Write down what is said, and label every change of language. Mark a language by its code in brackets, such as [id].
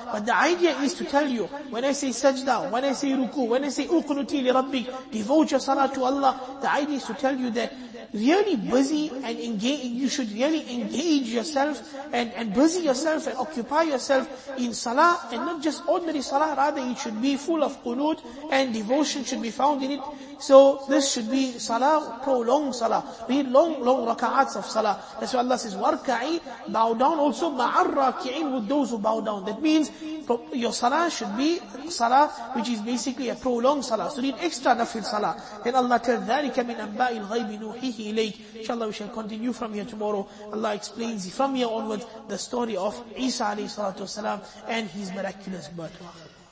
[en] But the idea is to tell you, when I say sajda, when I say ruku, when I say uqnuti li rabbi, devote your salah to Allah, the idea is to tell you that really busy and engage, you should really engage yourself and busy yourself and occupy yourself in salah, and not just ordinary salah, rather it should be full of qunut and devotion should be found in it. So this should be salah, prolonged salah, read long, long raka'ats of salah. That's why Allah says, warka'i, bow down also, ma'ar raki'in, with those who bow down. That means your salah should be salah, which is basically a prolonged salah. So read extra nafil salah. Then Allah tells, [ar] ذَلِكَ مِنْ أَنْبَاءِ الْغَيْبِ نُوحِهِ إِلَيْكِ. [en] InshaAllah we shall continue from here tomorrow. Allah explains from here onwards the story of Isa alayhi salatu wasalam and his miraculous birth.